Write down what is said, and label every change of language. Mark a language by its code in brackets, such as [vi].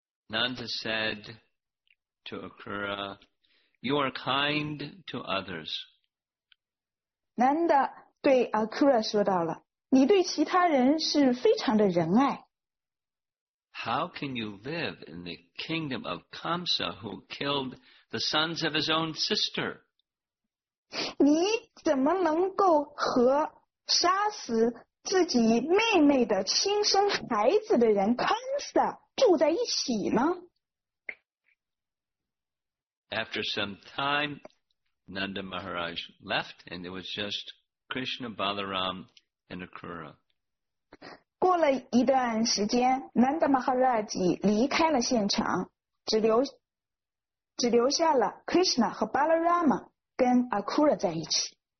[en] Nanda said to Akura, you are kind to others. [zh] Nanda 对 Akura 说到了，你对其他人是非常的仁爱。 [en] How can you live in the kingdom of Kamsa who killed the sons of his own sister? [zh] 你怎么能够和杀死自己妹妹的亲生孩子的人 Kamsa 住在一起呢？ [en] After some time, Nanda Maharaj left, and it was just Krishna, Balaram, and Akura. [zh] 过了一段时间， Nanda Maharaj 离开了现场，只留下了 Krishna 和 Balarama 跟 Akura 在一起。